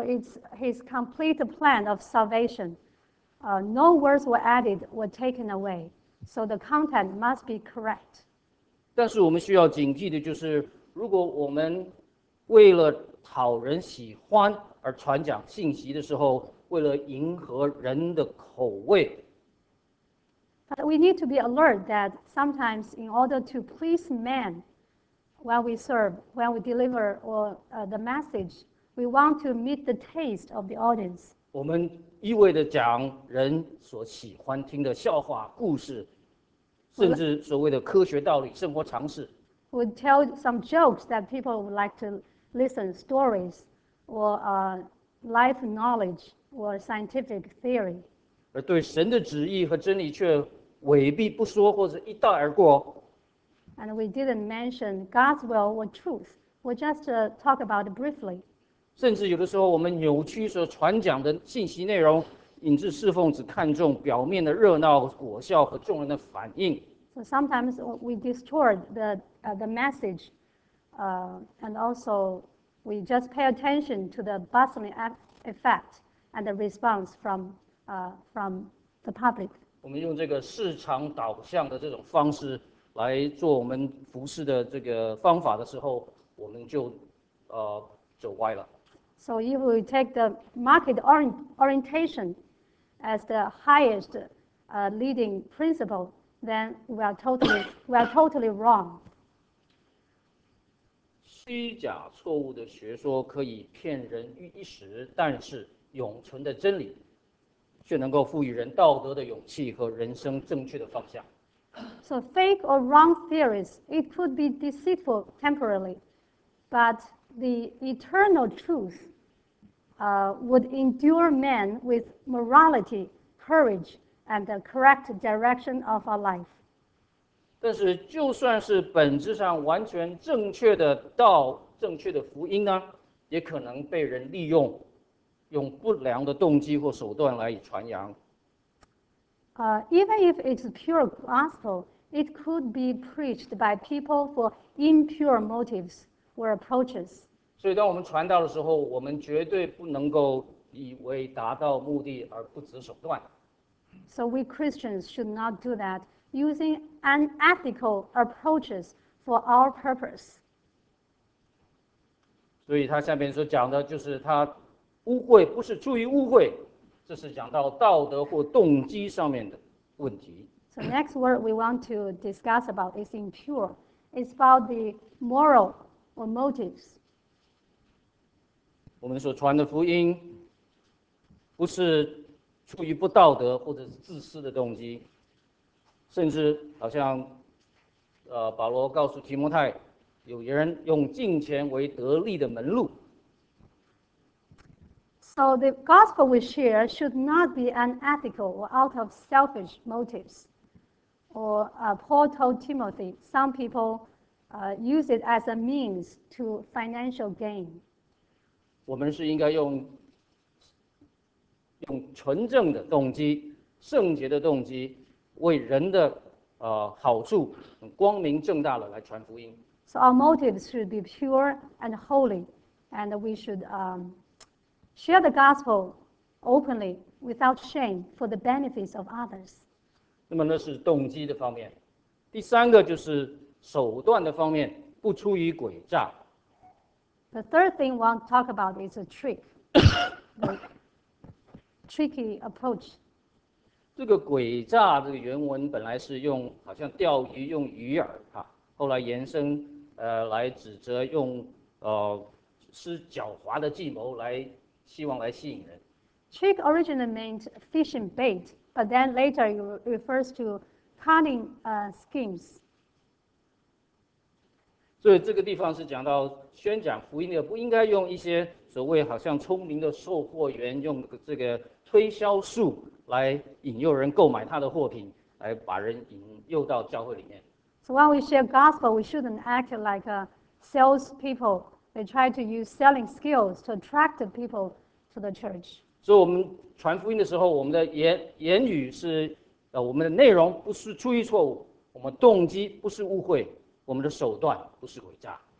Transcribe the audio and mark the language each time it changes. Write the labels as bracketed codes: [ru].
[en] it's his complete plan of salvation. No words were added or taken away, so the content must be correct. [zh] 但是我们需要谨记的就是，如果我们为了讨人喜欢而传讲信息的时候，为了迎合人的口味。 [en] But we need to be alert that sometimes in order to please men when we serve, when we deliver or the message, we want to meet the taste of the audience. [zh] 我们一味地讲人所喜欢听的笑话故事，甚至所谓的科学道理、生活常识。 [en] We tell some jokes that people would like to listen, stories or life knowledge or scientific theory. [zh] 而对神的旨意和真理却违背不说或者一带而过。 [en] And we didn't mention God's will or truth. We just talk about it briefly. [zh] 甚至有的时候我们扭曲所传讲的信息内容，引致侍奉只看重表面的热闹果效和众人的反应。 [en] So sometimes we distort the message, and also we just pay attention to the bustling effect and the response from the public. [zh] 我们用这个市场导向的这种方式来做我们服事的这个方法的时候，我们就走歪了。 [en] So if we take the market orientation as the highest leading principle, then we are totally wrong. [zh] 虚假错误的学说可以骗人一时，但是永存的真理却能够赋予人道德的勇气和人生正确的方向。 [en] So fake or wrong theories, it could be deceitful temporarily, but the eternal truth would endure man with morality, courage, and the correct direction of our life. [zh] 但是就算是本质上完全正确的道、正确的福音呢，也可能被人利用，用不良的动机或手段来传扬。 [en] Even if it's pure gospel, it could be preached by people for impure motives or approaches. [zh] 所以当我们传道的时候，我们绝对不能够以为达到目的而不择手段。 [en] So we Christians should not do that, using unethical approaches for our purpose. [zh] 所以他下面所讲的就是他污秽不是出于污秽，这是讲到道德或动机上面的问题。 [en] So next word we want to discuss about is impure. It's about the moral or motives. [zh] 我们所传的福音不是出于不道德或者是自私的动机，甚至好像保罗告诉提摩太，有人用金钱为得利的门路。 [en] So the gospel we share should not be unethical or out of selfish motives. Or Paul told Timothy, some people use it as a means to financial gain. [zh] 我们是应该用纯正的动机、圣洁的动机，为人的好处，光明正大的来传福音。 [en] So our motives should be pure and holy, and we should share the gospel openly without shame for the benefits of others. [zh] 那么那是动机的方面。第三个就是手段的方面，不出于诡诈。 [en] The third thing we want to talk about is a trick. tricky approach. [zh] 这个诡诈这个原文本来是用好像钓鱼用鱼饵哈，后来延伸来指责用施狡猾的计谋来希望来吸引人。 [en] Trick originally meant fishing bait, but then later it refers to cunning schemes. [zh] 所以这个地方是讲到宣讲福音的不应该用一些所谓好像聪明的售货员用这个推销术来引诱人购买他的货品，来把人引诱到教会里面。 [en] So when we share gospel, we shouldn't act like sales people. They try to use selling skills to attract people to the church. [zh] 所以我们传福音的时候，我们的言语是我们的内容不是出于错误，我们动机不是误会，我们的手段不是诡诈。